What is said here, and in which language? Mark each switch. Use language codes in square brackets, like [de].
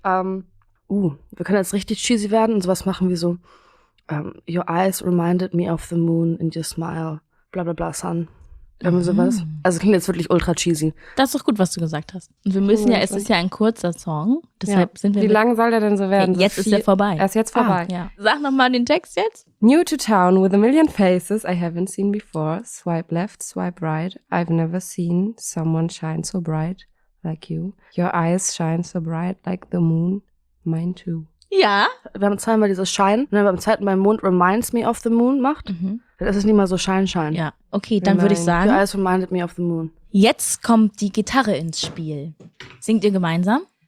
[de] Wir können jetzt richtig cheesy werden und sowas machen wie so [en] Your eyes reminded me of the moon in your smile. [de] Bla bla bla, sun. Irgendwie sowas. Also klingt jetzt wirklich ultra cheesy. Das ist doch gut, was du gesagt hast. Und wir müssen es ist ja ein kurzer Song. Deshalb sind wir. Wie lang soll der denn so werden? Okay, jetzt so ist er vorbei. Er ist jetzt vorbei. Ja. Sag nochmal den Text jetzt. [en] New to town with a million faces I haven't seen before. Swipe left, swipe right. I've never seen someone shine so bright like you. Your eyes shine so bright like the moon. Mine too. [de] Ja. Wir haben zweimal dieses Shine. Und wenn man beim zweiten Mal Mond [en] reminds me of the moon [de] macht, das ist nicht mal so Shine. Ja. Okay, dann würde ich sagen. [en] Your eyes reminded me of the moon. [de] Jetzt kommt die Gitarre ins Spiel. Singt ihr gemeinsam?